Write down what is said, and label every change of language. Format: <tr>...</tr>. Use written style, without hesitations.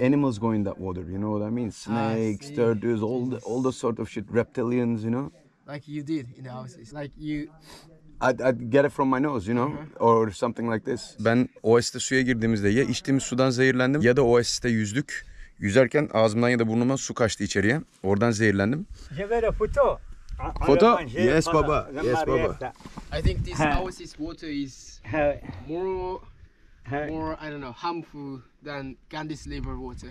<en>Animals go in that water, you know what I mean? Snakes, turtles, all the sort of shit, reptilians, you know? Like you did in the house. It's like you... I'd get it from my nose, you know? Uh-huh. Or something like this.</en> <tr>Ben OS'te suya girdiğimizde ya içtiğimiz sudan zehirlendim ya da OS'te yüzdük. Yüzerken ağzımdan ya da burnumdan su kaçtı içeriye. Oradan zehirlendim. Foto?</tr> <en>Foto? Yes, baba. Yes, baba. I think this OS's water is more, I don't know, harmful than Gandhi's liver water.</en>